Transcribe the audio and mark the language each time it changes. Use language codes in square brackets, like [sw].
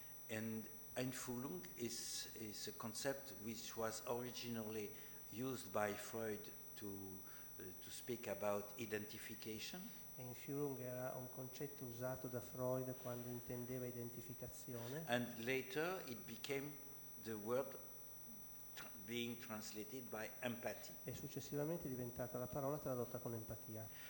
[en] And Einfühlung is a concept which was originally used by Freud to speak about identification. [it] Einfühlung era un concetto usato da Freud quando intendeva identificazione. [en] And later it became the word being translated by empathy. [it] E successivamente è diventata la parola tradotta con empatia.